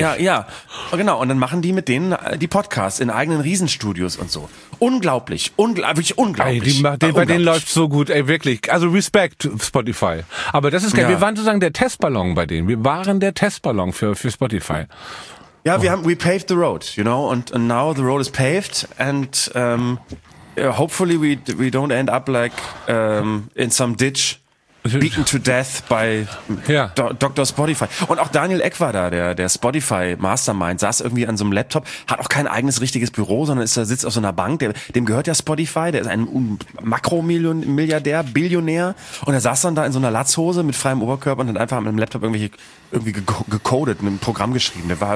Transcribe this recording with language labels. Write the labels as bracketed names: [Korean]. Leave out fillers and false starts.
[German] Ja, ja. Genau. Und dann machen die mit denen die Podcasts in eigenen Riesenstudios und so. Unglaublich. Unglaublich. Ey, bei denen läuft es so gut. Ey, wirklich. Also Respekt, Spotify. Aber das ist geil. Ja. Wir waren sozusagen der Testballon bei denen. Wir waren der Testballon für Spotify. Ja, oh. [English] We paved the road, you know. And now the road is paved. And hopefully we don't end up like in some ditch. Beaten to death by Dr. Spotify. [German] Und auch Daniel Eck war da, der Spotify Mastermind, saß irgendwie an so einem Laptop, hat auch kein eigenes richtiges Büro, sondern sitzt auf so einer Bank, dem gehört ja Spotify, der ist ein Makromilliardär, Billionär, und er saß dann da in so einer Latzhose mit freiem Oberkörper und hat einfach mit einem Laptop irgendwie gecodet, ein Programm geschrieben.